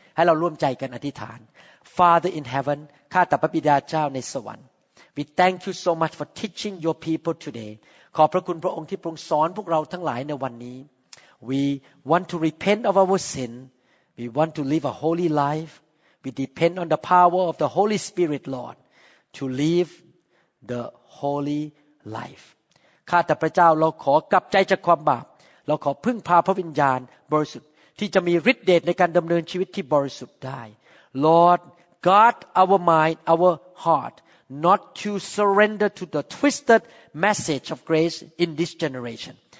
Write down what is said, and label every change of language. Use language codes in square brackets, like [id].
[th] ให้เราร่วมใจกันอธิษฐาน [en] Father in heaven, [th] ข้าแต่พระบิดาเจ้าในสวรรค์ [en] We thank you so much for teaching your people today. [th] ขอบพระคุณพระองค์ที่ทรงสอนพวกเราทั้งหลายในวันนี้ [en] We want to repent of our sinWe want to live a holy life. We depend on the power of the Holy Spirit, Lord, to live the holy life. [th] ข้าแต่พระเจ้าเราขอกลับใจจากความบาปเราขอพึ่งพาพระวิญญาณบริสุทธิ์ที่จะมีฤทธิ์เดชในการดำเนินชีวิตที่บริสุทธิ์ได้ [en] Lord, guard our mind, our heart, not to surrender to the twisted message of grace in this generation.